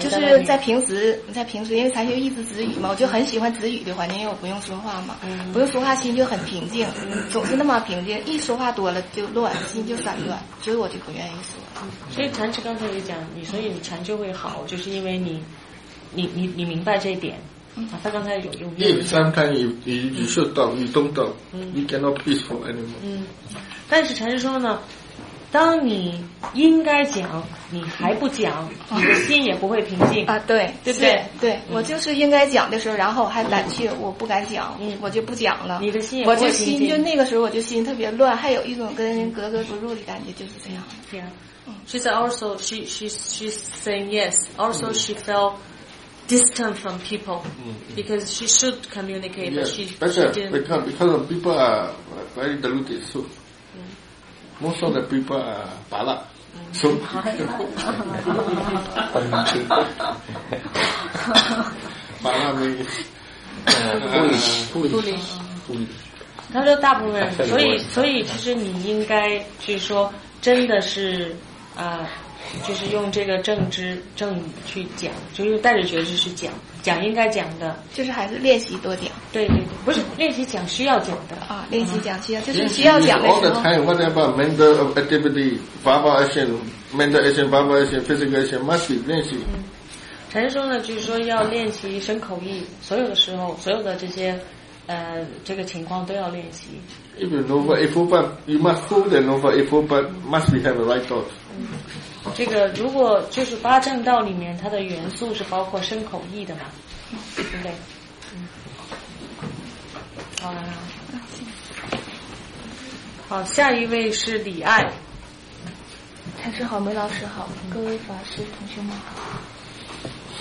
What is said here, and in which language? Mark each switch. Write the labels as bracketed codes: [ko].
[zh] 就是在平时，因为禅修一直止语嘛，我就很喜欢止语的环境，因为我不用说话嘛，不用说话，心就很平静，总是那么平静。一说话多了就乱，心就散乱，所以我就不愿意说。所以禅师刚才也讲，所以你禅就会好，就是因为你明白这一点。他刚才有用。 [en] Yes, sometimes you should talk, you don't talk, you cannot peaceful anymore. [zh] 但是禅师说呢，当你应该讲，你还不讲，你的心也不会平静啊。对，对不对？对，我就是应该讲的时候，然后还胆怯，我不敢讲，我就不讲了。你的心也不会平静，我就心就那个时候，我就心特别乱，还有一种跟人格格不入的感觉，就是这样。 [en] She said also she's saying yes. Also she felt distant from people because she should communicate, yes, but she didn't. Because of people are very deluded, so most of the people are bala. So bala means foolish. [zh] 他说大部分人，所以其实你应该去说真的是。就是用这个正知正语去讲，就是带着觉知去讲，讲应该讲的，就是还是练习多讲。对，不是练习讲需要讲的啊，练习讲需要就是需要讲的。 [en] All the time, whatever mental activity, verbal action, mental action, verbal action, physical action, must be [zh] 练习。禅师说呢，就是说要练习身口意，所有的时候，所有的这些。这个情况都要练习。 [en] If you know what, if you but you must hold the know what, if you but must be have the right thought. [zh] 这个如果就是八正道里面，它的元素是包括身口意的嘛，对不对？好，下一位是李爱。禅师好，梅老师好，各位法师同学们好。